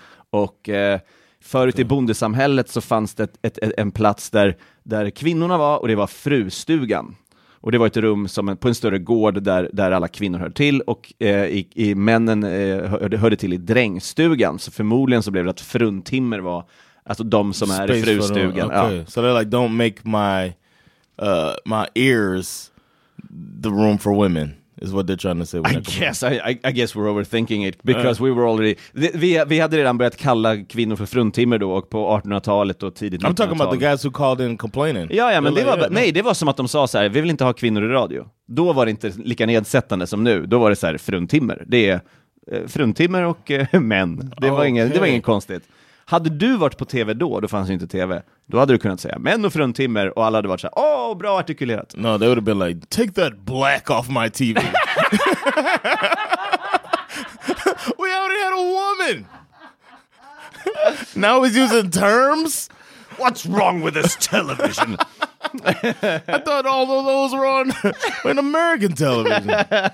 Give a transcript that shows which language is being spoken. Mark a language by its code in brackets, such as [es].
[sv] Och förut i bondesamhället så fanns det en plats där kvinnorna var, och det var frustugan. Och det var ett rum som på en större gård där alla kvinnor hörde till. Och männen hörde till i drängstugan. Så förmodligen så blev det att fruntimmer var, alltså de som är i frustugan. Okay. Ja. [en] So they're like, don't make my ears the room for women. Is what they're trying to say. I guess we're overthinking it. Because we were already... [sv] Vi hade redan börjat kalla kvinnor för fruntimmer då. Och på 1800-talet och tidigt [en] 1900-talet. I'm talking about the guys who called in complaining. [sv] Ja, ja, men det var som att de sa så här. Vi vill inte ha kvinnor i radio. Då var det inte lika nedsättande som nu. Då var det så här, fruntimmer. Det är fruntimmer och män. Det var ingen konstigt. Hade du varit på tv då, då fanns ju inte tv. Då hade du kunnat säga män och fruntimmer och alla hade varit så här, åh, bra artikulerat. [en] No, they would have been like, take that black off my TV. We already had a woman. Now he's using terms. What's wrong with this television? I thought all of those were on an American television.